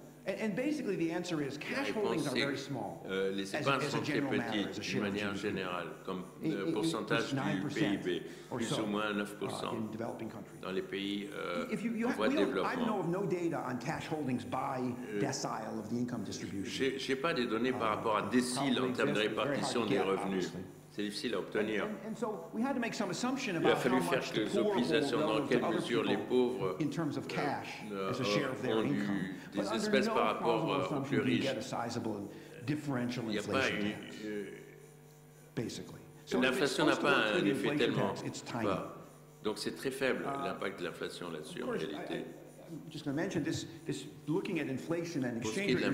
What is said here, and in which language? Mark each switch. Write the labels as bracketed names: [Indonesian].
[English] And basically, the answer is cash holdings are very small. [French] Les épargnes sont très petites, d'une manière générale, comme pourcentage du PIB, plus ou moins 9% dans les pays en voie de développement. [English] I know of no data on cash holdings by decile of the income distribution. [French] J'ai pas des données par rapport à décile en termes de répartition des revenus. C'est difficile à obtenir. Il a fallu faire quelques optimisations dans quelle mesure les pauvres ont des espèces par rapport aux plus riches. Il n'y a pas eu. L'inflation n'a pas un effet tellement. Donc c'est très faible l'impact de l'inflation là-dessus en réalité. [English] Just going to mention this, this looking at inflation and exchange